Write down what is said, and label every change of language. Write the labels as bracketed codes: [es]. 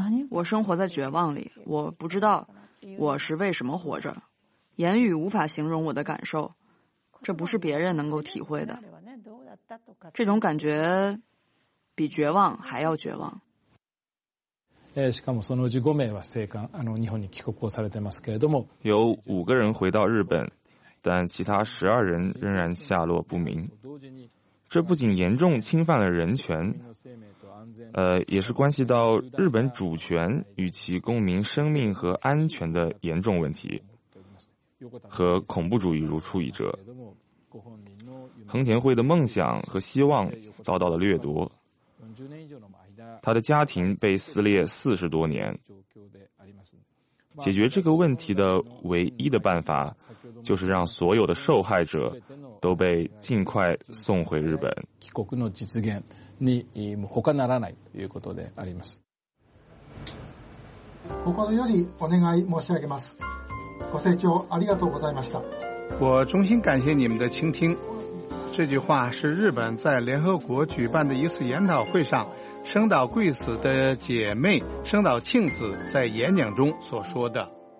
[zh] 我生活在绝望里，我不知道我是为什么活着，言语无法形容我的感受，这不是别人能够体会的，这种感觉比绝望还要绝望。 [ja] しかもそのうち5名は生還、日本に帰国をされてますけれども、 [zh] 有5个人回到日本，但其他12人仍然下落不明。这不仅严重侵犯了人权，也是关系到日本主权与其公民生命和安全的严重问题，和恐怖主义如出一辙。横田惠的梦想和希望遭到了掠夺，他的家庭被撕裂40多年。解决这个问题的唯一的办法，就是让所有的受害者都被尽快送回日本。 [ja] 帰国の実現に他ならないということであります。心よりお願い申し上げます。ご清聴ありがとうございました。 [zh] 我衷心感谢你们的倾听。这句话是日本在联合国举办的一次研讨会上，生岛贵子的姐妹生岛庆子在演讲中所说的。